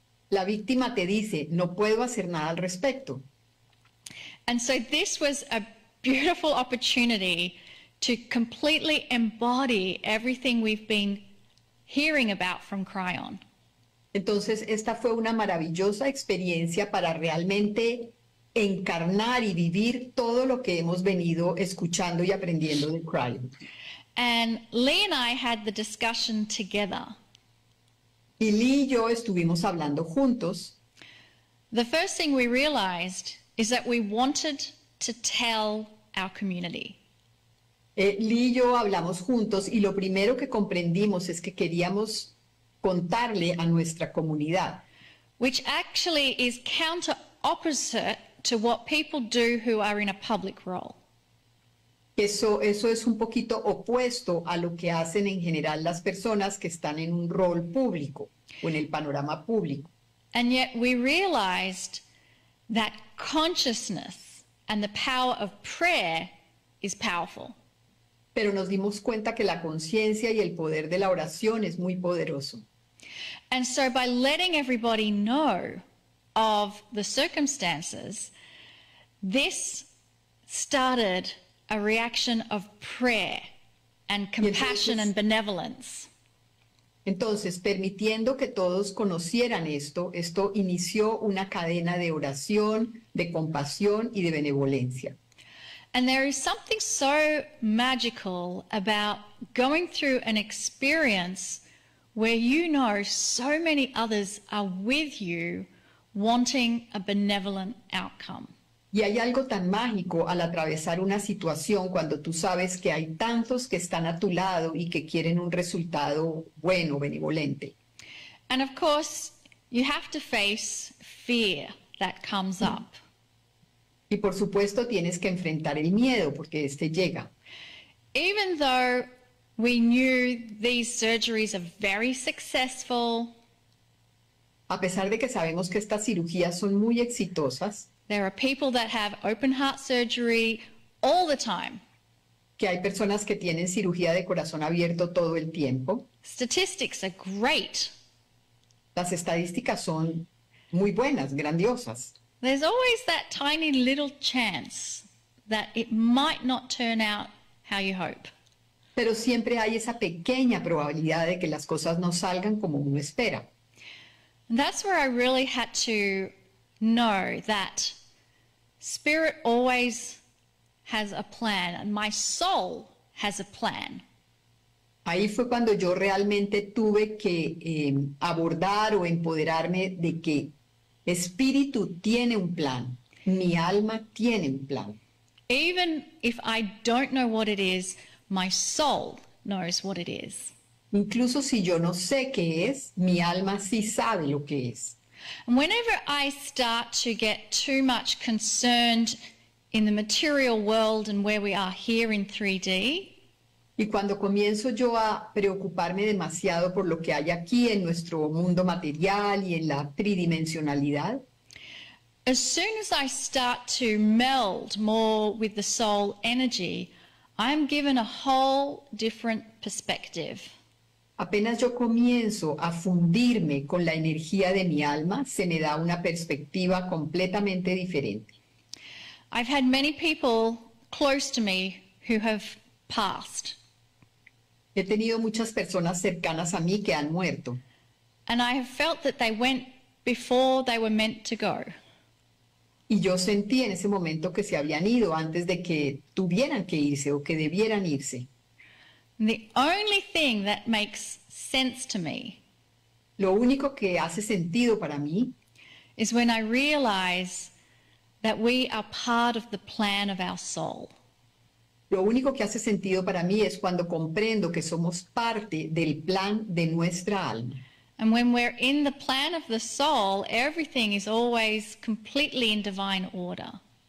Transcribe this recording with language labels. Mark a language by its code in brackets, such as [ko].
[es] La víctima te dice, no puedo hacer nada al respecto. [en] And so this was a beautiful opportunity to completely embody everything we've been hearing about from Cryon. [es] Entonces esta fue una maravillosa experiencia para realmente encarnar y vivir todo lo que hemos venido escuchando y aprendiendo de Cryon. [en] And Lee and I had the discussion together. [es] Y Lee y yo estuvimos hablando juntos. [en] The first thing we realized is that we wanted to tell our community. [es] Lee y yo hablamos juntos y lo primero que comprendimos es que queríamos contarle a nuestra comunidad. [en] Which actually is counter opposite to what people do who are in a public role. [es] Eso es un poquito opuesto a lo que hacen en general las personas que están en un rol público o en el panorama público. [en] And yet we realized that consciousness And the power of prayer is powerful. [es] Pero nos dimos cuenta que la conciencia y el poder de la oración es muy poderoso. [en] And so by letting everybody know of the circumstances, this started a reaction of prayer and compassion and benevolence. [es] Entonces, permitiendo que todos conocieran esto, esto inició una cadena de oración, de compasión y de benevolencia. [en] And there is something so magical about going through an experience where you know so many others are with you wanting a benevolent outcome. [es] Y hay algo tan mágico al atravesar una situación cuando tú sabes que hay tantos que están a tu lado y que quieren un resultado bueno, benevolente. [en] And of course, you have to face fear that comes up. [es] Y por supuesto tienes que enfrentar el miedo porque este llega. [en] Even though we knew these surgeries are very successful, [es] a pesar de que sabemos que estas cirugías son muy exitosas, [en] there are people that have open heart surgery all the time. [es] Que hay personas que tienen cirugía de corazón abierto todo el tiempo. [en] Statistics are great. [es] Las estadísticas son muy buenas, grandiosas. [en] There's always that tiny little chance that it might not turn out how you hope. [es] Pero siempre hay esa pequeña probabilidad de que las cosas no salgan como uno espera. [en] And that's where I really had to know that spirit always has a plan and my soul has a plan. [es] Ahí fue cuando yo realmente tuve que abordar o empoderarme de que espíritu tiene un plan, mi alma tiene un plan. [en] Even if I don't know what it is, my soul knows what it is. [es] Incluso si yo no sé qué es, mi alma sí sabe lo que es. [en] Whenever I start to get too much concerned in the material world and where we are here in 3D, [es] y cuando comienzo yo a preocuparme demasiado por lo que hay aquí en nuestro mundo material y en la tridimensionalidad, [en] as soon as I start to meld more with the soul energy, I'm given a whole different perspective. [es] Apenas yo comienzo a fundirme con la energía de mi alma, se me da una perspectiva completamente diferente. [en] I've had many people close to me who have passed. [es] He tenido muchas personas cercanas a mí que han muerto. [en] And I have felt that they went before they were meant to go. [es] Y yo sentí en ese momento que se habían ido antes de que tuvieran que irse o que debieran irse. [en] The only thing that makes sense to me, [es] lo único que hace sentido para mí, [en] is when I realize that we are part of the plan of our soul. [es] Lo único que hace sentido para mí es cuando comprendo que somos parte del plan de nuestra alma. [en] And when we're in the plan of the soul, everything is always completely in divine order.